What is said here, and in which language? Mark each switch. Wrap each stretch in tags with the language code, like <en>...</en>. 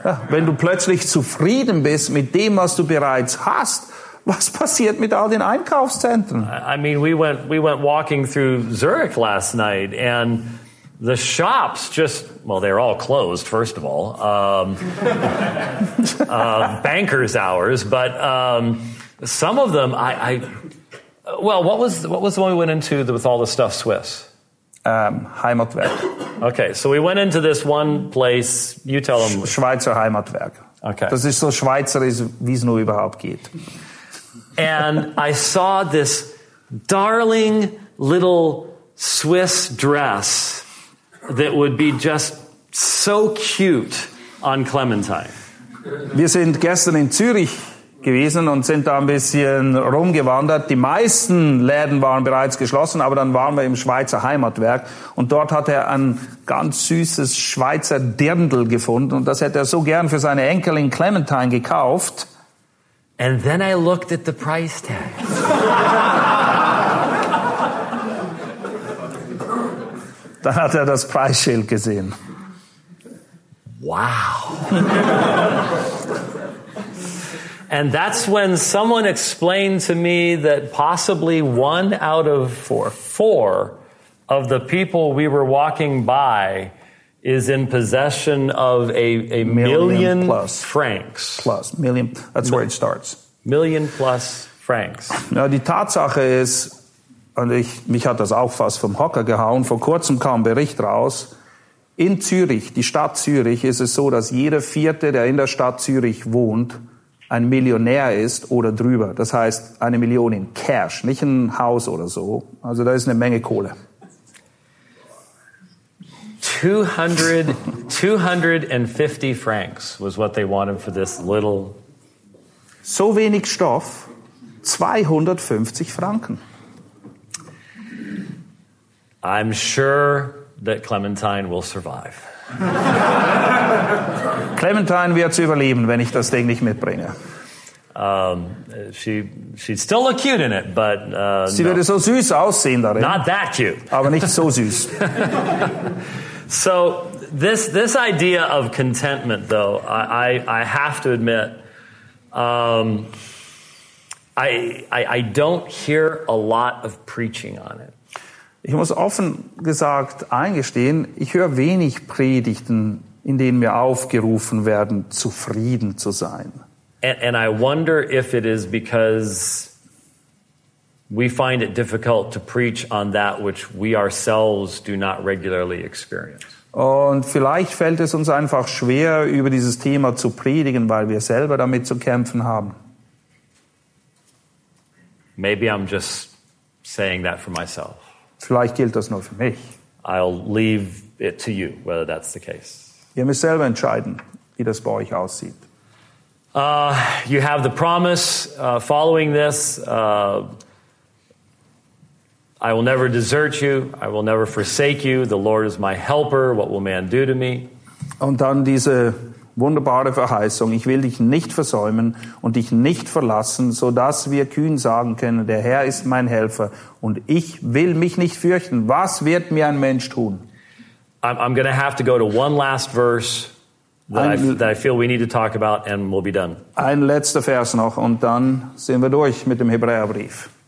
<de>Ja, wenn du plötzlich zufrieden bist mit dem, was du bereits hast, was passiert mit all den Einkaufszentren?</de> <en>I mean, we went walking through Zurich last night, and the shops just, well, they're all closed, first of all. banker's hours, but some of them, what was the one we went into with all the stuff Swiss?</en> <de>Heimatwerk.</de> <en>Okay, so we went into this one place, you tell them.</en> <de>Schweizer Heimatwerk.</de> <en>Okay.</en> <de>Das ist so schweizerisch, wie es nur überhaupt geht.</de> <en>And I saw this darling little Swiss dress that would be just so cute on Clementine.</en> <de>Wir sind gestern in Zürich gewesen und sind da ein bisschen rumgewandert. Die meisten Läden waren bereits geschlossen, aber dann waren wir im Schweizer Heimatwerk und dort hat er ein ganz süßes Schweizer Dirndl gefunden und das hätte er so gern für seine Enkelin Clementine gekauft.</de> <en>And then I looked at the price tag.</en> <de>Dann hat er das Preisschild gesehen.</de> <en>Wow. And that's when someone explained to me that possibly one out of four of the people we were walking by is in possession of a million plus francs. Plus, million, that's where it starts. Million plus francs.</en> <de>Ja, die Tatsache ist, und mich hat das auch fast vom Hocker gehauen, vor kurzem kam Bericht raus, in Zürich, die Stadt Zürich, ist es so, dass jeder Vierte, der in der Stadt Zürich wohnt, ein Millionär ist oder drüber. Das heißt, eine Million in Cash, nicht ein Haus oder so. Also da ist eine Menge Kohle.</de> <en>250 francs was what they wanted for this little...</en> <de>So wenig Stoff, 250 Franken.</de> <en>I'm sure that Clementine will survive.</en> <de>Clementine wird es überleben, wenn ich das Ding nicht mitbringe.</de> <en>She'd still look cute in it, but</en> <de>sie</de> <en>no.</en> <de>Würde so süß aussehen darin.</de> <en>Not that cute.</en> <de>Aber nicht so süß.</de> <en>So this idea of contentment, though, I have to admit, I don't hear a lot of preaching on it.</en> <de>Ich muss offen gesagt eingestehen, ich höre wenig Predigten, in denen wir aufgerufen werden, zufrieden zu sein.</de> <en>And I wonder if it is because we find it difficult to preach on that which we ourselves do not regularly experience.</en> <de>Und vielleicht fällt es uns einfach schwer, über dieses Thema zu predigen, weil wir selber damit zu kämpfen haben.</de> <en>Maybe I'm just saying that for myself.</en> <de>Vielleicht gilt das nur für mich.</de> <en>I'll leave it to you, whether that's the case.</en> <de>Ihr müsst selber entscheiden, wie das bei euch aussieht.</de> <en>You have the promise following this. I will never desert you. I will never forsake you. The Lord is my helper. What will man do to me?</en> <de>Und dann diese wunderbare Verheißung. Ich will dich nicht versäumen und dich nicht verlassen, so dass wir kühn sagen können, der Herr ist mein Helfer und ich will mich nicht fürchten. Was wird mir ein Mensch tun?</de> <en>I'm going to have to go to one last verse that I feel we need to talk about and we'll be done.</en> <de>Ein letzter Vers noch und dann sind wir durch mit dem Hebräerbrief.</de>